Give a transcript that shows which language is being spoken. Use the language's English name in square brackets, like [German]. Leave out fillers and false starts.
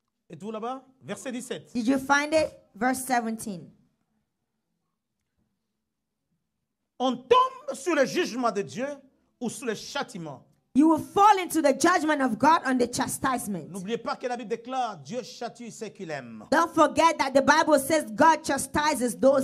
[French] Êtes-vous là-bas? Verset 17. [English] Did you find it? Verse 17. [French] On tombe sous le jugement de Dieu ou sous le châtiment. [English] You will fall into the judgment of God on the chastisement. [French] N'oubliez pas que la Bible déclare, Dieu châtie ceux qu'il aime. [English] Don't forget that the Bible says God chastises those